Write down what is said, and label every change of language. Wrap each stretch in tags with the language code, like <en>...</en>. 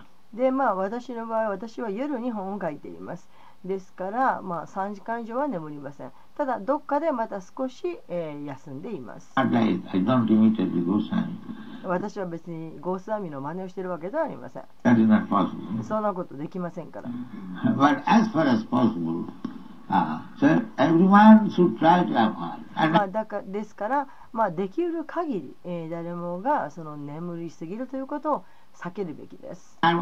<ja>でまあ私の場合私は夜に本を書いています。ですからまあ3時間以上は眠りません。ただどっかでまた少し、休んでいます。</ja> <en>I don't imitate Goswami.</en> <ja>私は別にゴースワミの真似をしているわけではありません。</ja> <en>That is not possible.</en> <ja>そんなことできませんから。</ja> <en>But as far as possible, so everyone should try to have one.</en> <ja>まあ、だかですから、まあ、できる限り、誰もがその眠りすぎるということを避けるべきです。</ja>